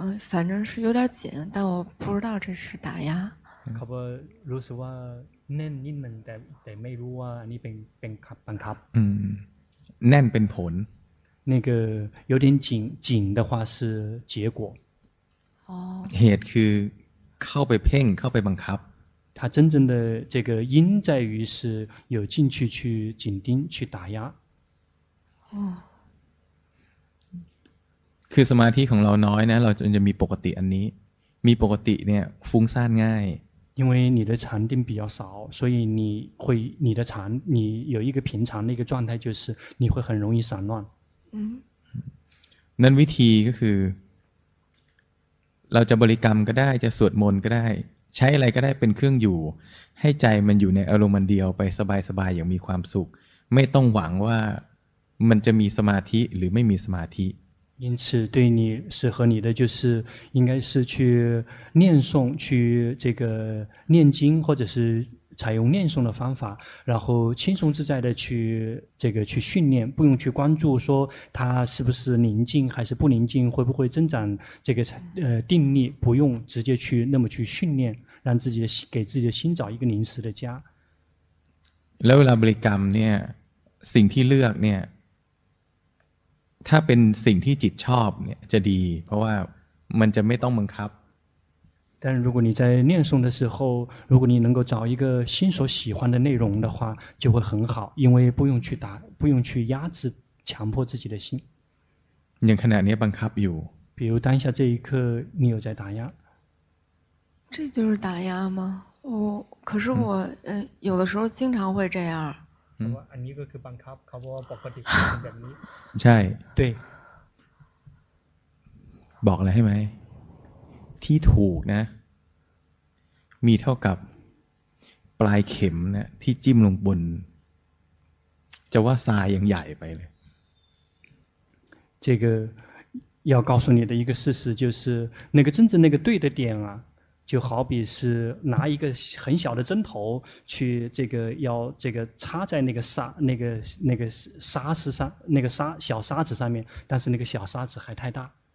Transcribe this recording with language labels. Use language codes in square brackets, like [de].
[zh] 反正是有点紧但我不知道这是打压 [th] เขาบอกรู้สึกว่าแน่นนิดหนึ่งแต่ไม่รู้ว่าอันนี้เป็นขับบังคับ แน่นเป็นผล [zh] 那个有点紧的话是结果哦 [th] เหตุคือ 靠被骗靠被蒙卡 [zh] 他真正的这个因在于是有进去去紧盯去打压 [th] คือสมาธิของเราน้อยนะเราจะมีปกติอันนี้มีปกติเนี่ยฟุ้งซ่านง่าย [zh] 因为你的禅定比较少所以你会你的禅你有一个平常的一个状态就是你会很容易散乱 [th] นั้นวิธีก็คือเราจะบริกรรมก็ได้จะสวดมนต์ก็ได้ใช้อะไรก็ได้เป็นเครื่องอยู่ให้ใจมันอยู่ในอารมณ์เดียวไปสบายๆอย่างมีความสุขไม่ต้องหวังว่ามันจะมีสมาธิหรือไม่มีสมาธิ [zh] 因此对你适合你的就是应该是去念诵去这个念经或者是采用念诵的方法然后轻松自在的去这个去训练不用去关注说它是不是宁静还是不宁静会不会增长这个定力不用直接去那么去训练让自己的给自己的心找一个临时的家 [th] แล้วเวลาบริกรรมเนี่ยสิ่งที่เลือกเนี่ยถ้าเป็นสิ่งที่จิตชอบเนี่ยจะดีเพราะว่ามันจะไม่ต้องบังคับ [zh] 但如果你在念诵的时候如果你能够找一个心所喜欢的内容的话就会很好因为不用去打不用去压制强迫自己的心 [th] อย่างขณะนี้บังคับอยู่ [zh] 比如当下这一刻你有在打压这就是打压吗我可是我有的时候经常会这样 [th] อันนี้ก็คือบังคับเขาบอกว่าปกติแบบนี้ใช่ ด้วย บอกอะไรให้ไหมที่ถูกนะมีเท่ากับปลายเข็มนะที่จิ้มลงบนจะว่าทรายยังใหญ่ไปเลย [zh] 这个要告诉你的一个事实就是那个真正那个对的点啊就好比是拿一个很小的针头去这个要这个插在那个沙那个那个沙石上那个沙小沙子上面但是那个小沙子还太大